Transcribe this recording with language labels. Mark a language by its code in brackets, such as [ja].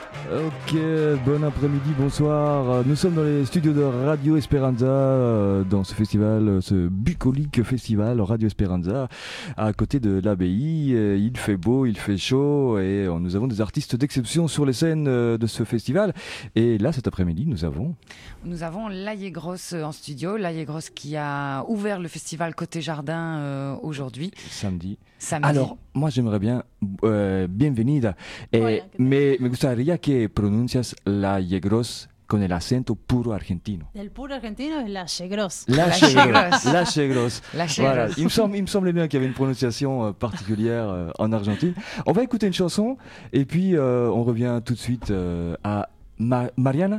[fr] Ok, bon après-midi, bonsoir. Nous sommes dans les studios de Radio Esperanza, dans ce festival, ce bucolique festival Radio Esperanza, à côté de l'abbaye. Il fait beau, il fait chaud et nous avons des artistes d'exception sur les scènes de ce festival. Et là, cet après-midi, nous avons Laye Gross en studio. Laye Gross qui a ouvert le festival Côté Jardin aujourd'hui. Samedi. Alors, moi j'aimerais bien, [es] bienvenida, me gustaría que pronuncias la Laye Gross con el acento puro argentino. El puro argentino es Laye Gross. [fr] Laye Gross. Voilà. Il me semblait bien qu'il y avait une prononciation particulière en Argentine. On va écouter une chanson et puis on revient tout de suite à Mariana.